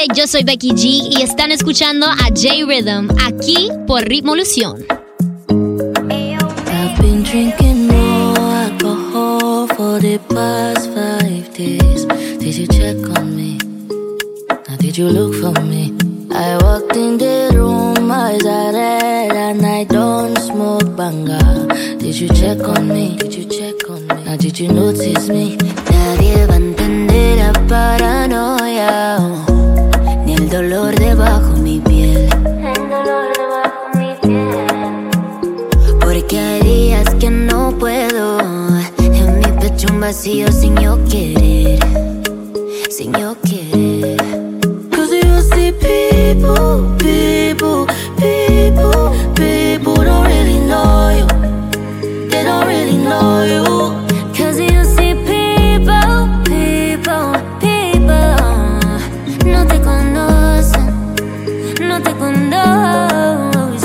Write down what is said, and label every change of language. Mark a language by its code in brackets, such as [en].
[es] Yo soy Becky G y están escuchando a J Rhythm aquí por Ritmo Lución. [en] I've been drinking more alcohol for the past 5 days. Did you check on me? Now did you look for me? I walked in the room, eyes are red, and I don't smoke banga. Did you check on me? Did you check on me? Now did you notice me? [es] Nadie va a entender la paranoia, ni el dolor debajo mi piel. El dolor debajo mi piel. Porque hay días que no puedo, en mi pecho un vacío sin yo querer. Sin yo querer. [en] People, people, people, people don't really know you. They don't really know you. Cause you see people, people, people [es] no te conocen, no te conocen.